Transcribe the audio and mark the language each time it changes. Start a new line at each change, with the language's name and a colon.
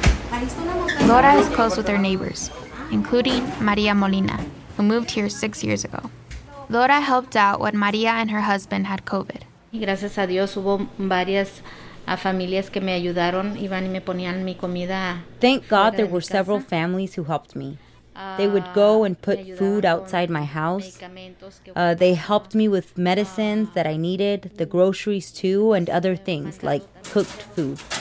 English: Nora is close with her neighbors, including Maria Molina, who moved here 6 years ago. Nora helped out when Maria and her husband had COVID.
Spanish: Gracias a Dios hubo varias familias que me ayudaron, iban y me ponían mi comida.
English: Thank God there were several families who helped me. They would go and put food outside my house. They helped me with medicines that I needed, the groceries too, and other things like cooked food.